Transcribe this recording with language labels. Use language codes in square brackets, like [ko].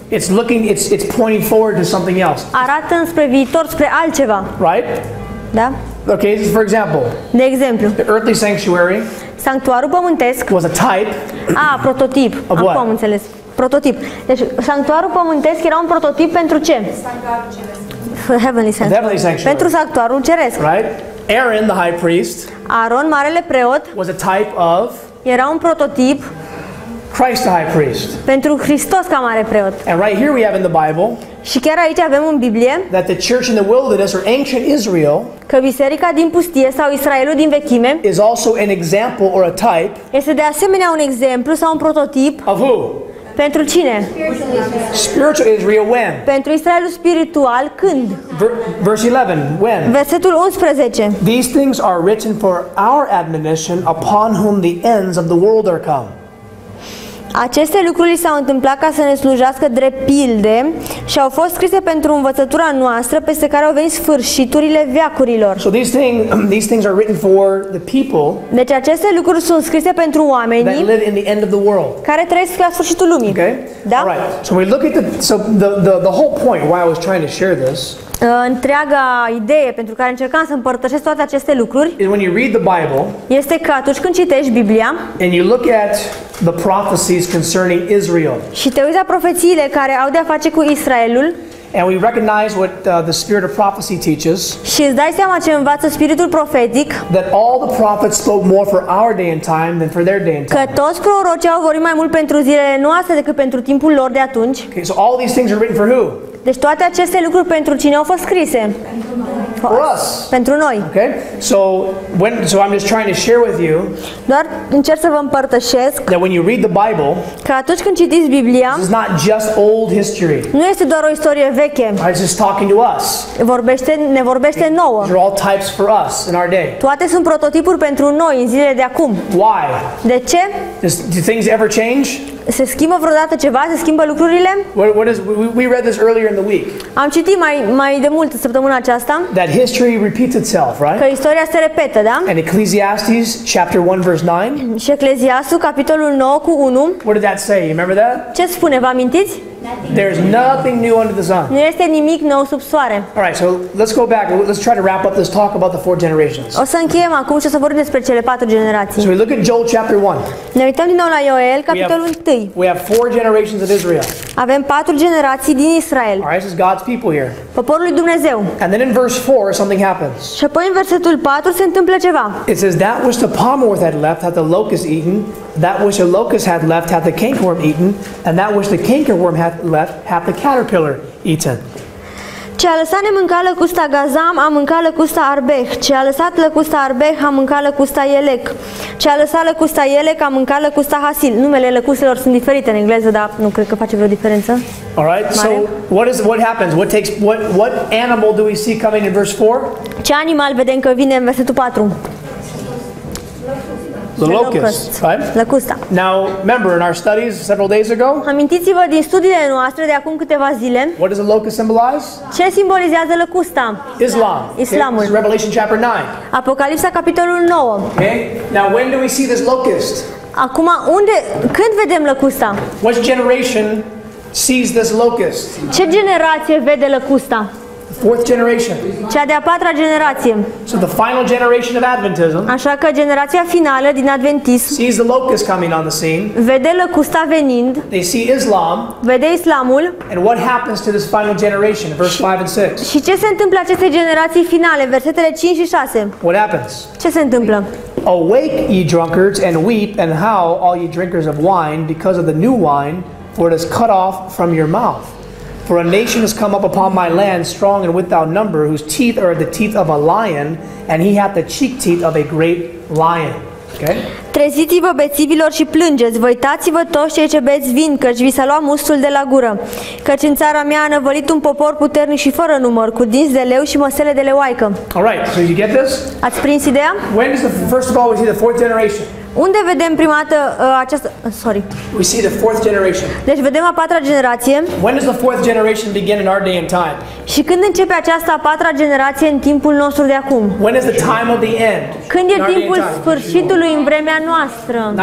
[en] It's looking, it's pointing forward to something else. [ro] Arată înspre viitor, spre altceva. [en] Right? [ro] Da. [en] Okay, this is for example. [ro] De exemplu. [en] The earthly sanctuary. [ro] Sanctuarul pământesc. [en] Was a type. [ro] Ah, prototip. [en] Of what? [ro] Am înțeles. Prototip. Deci, sanctuarul pământesc era un prototip pentru ce? [en] The heavenly sanctuary. [ro] Pentru sanctuarul ceresc. [en] Right? Aaron, the high priest. [ro] Aaron, marele preot. [en] Was a type of. [ro] Era un prototip. [en] Christ the high priest. [ro] Pentru Hristos ca mare preot. [en] And right here we have in the Bible. [ro] Și chiar aici avem în Biblie. [en] That the church in the wilderness or ancient Israel. [ro] Că biserica din pustie sau Israelul din vechime. [en] Is also an example or a type. [ro] Este de asemenea un exemplu sau un prototip. [en] Of who? [ro] Pentru cine? [en] Spiritual Israel when? [ro] Pentru Israelul spiritual când? [en] Verse 11, when? [ro] Versetul 11. [en] These things are written for our admonition upon whom the ends of the world are come. [ro] Aceste lucruri s-au întâmplat ca să ne slujească drept pilde și au fost scrise pentru învățătura noastră peste care au venit sfârșiturile veacurilor. [en] So these things are written for the people. [ro] Deci aceste lucruri sunt scrise pentru oamenii [en] that live in the end of the world. [ro] Care trăiesc la sfârșitul lumii. [en] Okay? [ro] Da? [en] All right. So we look at the whole point why I was trying to share this. [ro] Întreaga idee pentru care încercam să împărtășesc toate aceste lucruri [en] when you read the Bible, [ro] este că atunci când citești Biblia [en] and you look at the prophecies concerning Israel, [ro] și te uiți la profețiile care au de-a face cu Israelul, [en] And we recognize what the spirit of prophecy teaches. [ro] Și îți dai seama ce învață spiritul profetic? [en] That all the prophets spoke more for our day and time than for their day and time. [ro] Că toți prorocii au vorbit mai mult pentru zilele noastre decât pentru timpul lor de atunci. [en] Okay, so all these things are written for who? [ro] Deci toate aceste lucruri pentru cine au fost scrise? [en] For us. [ro] Pentru noi. [en] Okay? So I'm just trying to share with you. [ro] Doar încerc să vă împărtășesc. [en] That when you read the Bible, [ro] că atunci când citiți Biblia, [en] this is not just old history. [ro] Nu este doar o istorie veche. [en] It's just talking to us. [ro] Ne vorbește nouă. [en] They're all types for us in our day. [ro] Toate sunt prototipuri pentru noi în zilele de acum. [en] Why? [ro] De ce? [en] Do things ever change? [ro] Se schimbă vreodată ceva? Se schimbă lucrurile? [en] We read this earlier in the week. [ro] Am citit mai de mult săptămâna aceasta. [en] That history repeats itself, right? [ro] Că istoria se repetă, da? [en] And Ecclesiastes chapter 1 verse 9. [ro] Și Ecclesiastul capitolul 9 cu 1. [en] What did that say? Remember that? [ro] Ce spune? Vă amintiți? [en] There's nothing new under the sun. [ro] Nu este nimic nou sub soare. [en] All right, so let's go back. Let's try to wrap up this talk about the four generations. [ro] O să încheiem acum și o să vorbim despre cele patru generații. [en] So we look at Joel chapter 1. [ro] Ne uităm din nou la Ioel, capitolul 1. [en] We have four generations of Israel. [ro] Avem patru generații din Israel. [en] All right, this is God's people here. [ro] Poporul lui Dumnezeu. [en] And then in verse 4 something happens. [ro] Și apoi în versetul 4 se întâmplă ceva. [en] It says that which the palm worm had left had the locust eaten. That which the locust had left had the cankerworm eaten, and that which the cankerworm had left had the caterpillar eaten. [ro] Ce a lăsat nemânca lăcusta gazam, a mâncat lăcusta arbeh. Ce a lăsat lăcusta arbeh, a mâncat lăcusta elec. Ce a lăsat lăcusta elec, a mâncat lăcusta hasil. Numele lăcustelor sunt diferite în engleză, dar nu cred că face vreo diferență. [en] All right. So what happens? What animal do we see coming in verse 4? [ro] Ce animal vedem că vine în versetul 4? [en] The locust, right? [ro] Lăcusta. [en] Now, remember in our studies several days ago? [ro] Amintiți-vă din studiile noastre de acum câteva zile. [en] What does a locust symbolize? [ro] Ce simbolizează lăcusta? [en] Islam. [ro] Islamul. [en] Okay. Revelation chapter 9. [ro] Apocalipsa capitolul 9. [en] Okay. Now, when do we see this locust? [ro] Acum unde când vedem lăcusta? [en] What generation sees this locust? [ro] Ce generație vede lăcusta? [en] Fourth generation. [ro] Cea de-a patra generație. [en] So the final generation of Adventism. [ro] Așa că generația finală din adventism. [en] Sees the locust coming on the scene. [ro] Vede lăcusta venind. [en] They see Islam. [ro] Vede Islamul. [en] And what happens to this final generation? Verse 5 and 6. [ro] Și ce se întâmplă acestei generații finale? Versetele 5 și 6. [en] What happens? [ro] Ce se întâmplă? [en] Awake, ye drunkards, and weep, and howl, all ye drinkers of wine, because of the new wine, for it is cut off from your mouth. For a nation has come up upon my land, strong and without number, whose teeth are the teeth of a lion, and he hath the cheek teeth of a great lion. Okay? [ro] Treziți-vă, bețivilor, și plângeți, vă uitați-vă toți cei ce beți vin, căci vi s-a luat mustul de la gură. Căci în țara mea a năvălit un popor puternic și fără număr, cu dinți de leu și măsele de leoaică. [en] All right, so you get this? [ro] Ați prins ideea? [en] When is the first of all we see the fourth generation? [ro] Unde vedem prima dată această... [en] Sorry. We see the fourth generation. [ro] Deci vedem a patra generație. [en] When does the fourth generation begin in our day and time? [ro] Și când începe aceasta a patra generație în timpul nostru de acum? [en] When is the time of the end? [ro] Când e timpul sfârșitului în vremea noastră?